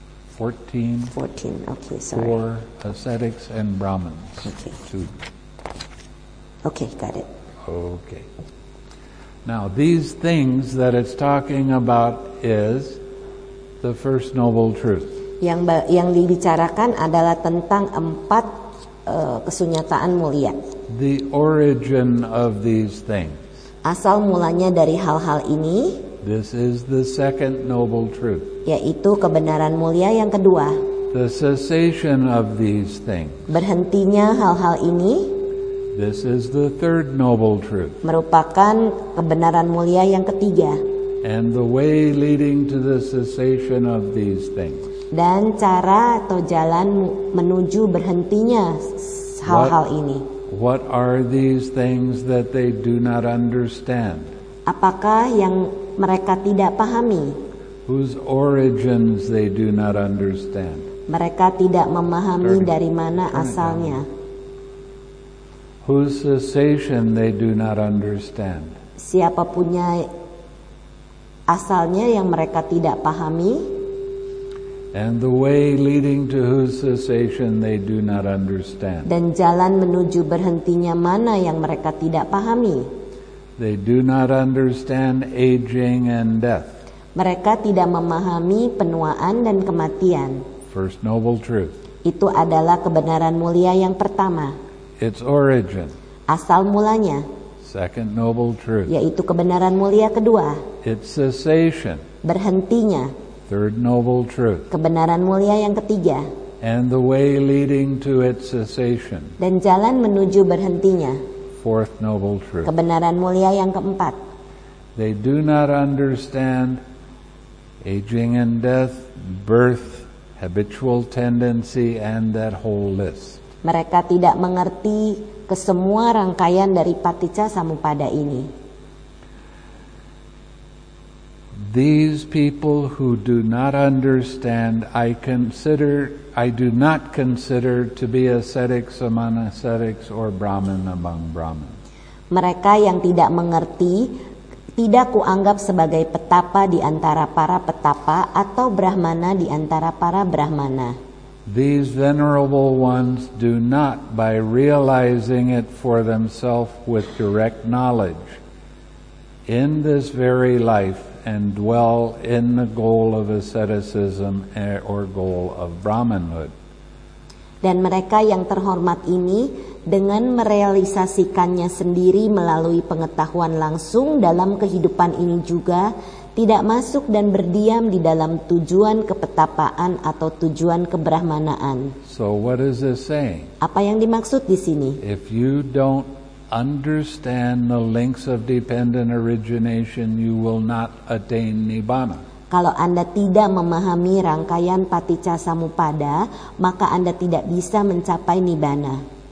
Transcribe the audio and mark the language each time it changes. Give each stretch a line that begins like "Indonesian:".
English: 14. 14, okay, sorry. For ascetics and Brahmins. Okay. Two. Okay, got it. Okay. Now, these things that it's talking about is the First Noble Truth.
Indonesian: Yang dibicarakan adalah tentang empat kesunyataan mulia.
English: The origin of these things.
Indonesian: Asal mulanya dari hal-hal ini.
English: This is the Second Noble Truth.
Indonesian: Yaitu kebenaran mulia yang kedua.
English: The cessation of these things.
Indonesian: Berhentinya hal-hal ini.
English: This is the third noble truth.
Indonesian: Merupakan kebenaran mulia yang ketiga.
English: And the way leading to the cessation of these things.
Indonesian: Dan cara atau jalan menuju berhentinya hal-hal ini.
English: What are these things that they do not understand?
Indonesian: Apakah yang mereka tidak pahami?
English: whose origins they do not understand.
Indonesian: Mereka tidak memahami dari mana asalnya.
English: Whose cessation they do not understand.
Indonesian: Siapa punya asalnya yang mereka tidak pahami.
English: And the way leading to whose cessation they do not understand.
Indonesian: Dan jalan menuju berhentinya mana yang mereka tidak pahami.
English: They do not understand aging and death.
Indonesian: Mereka tidak memahami penuaan dan kematian.
English: First noble truth.
Indonesian: Itu adalah kebenaran mulia yang pertama.
English: Its origin.
Indonesian: Asal mulanya.
English: Second noble truth.
Indonesian: Yaitu kebenaran mulia kedua.
English: Its cessation.
Indonesian: Berhentinya.
English: Third noble truth.
Indonesian: Kebenaran mulia yang ketiga.
English: And the way leading to its cessation.
Indonesian: Dan jalan menuju berhentinya.
English: Fourth noble truth.
Indonesian: Kebenaran mulia yang keempat.
English: They do not understand aging and death, birth, habitual tendency, and that whole list.
Indonesian: Mereka tidak mengerti kesemua rangkaian dari paticca samuppada ini.
English: These people who do not understand, I do not consider to be ascetics among ascetics or Brahmin among Brahmin.
Indonesian: Mereka yang tidak mengerti tidak kuanggap sebagai petapa di antara para petapa atau brahmana di antara para brahmana.
English: These venerable ones do not, by realizing it for themselves with direct knowledge, in this very life and dwell in the goal of asceticism or goal of Brahmanhood.
Indonesian: Dan mereka yang terhormat ini dengan merealisasikannya sendiri melalui pengetahuan langsung dalam kehidupan ini juga tidak masuk dan berdiam di dalam tujuan kepetapaan atau tujuan kebrahmanaan.
English: So what is this saying?
Indonesian: Apa yang dimaksud di sini?
English: If you don't understand the links of dependent origination, you will not attain nibbana.
Indonesian: Kalau Anda tidak memahami rangkaian paticca samuppada, maka Anda tidak bisa mencapai nibbana.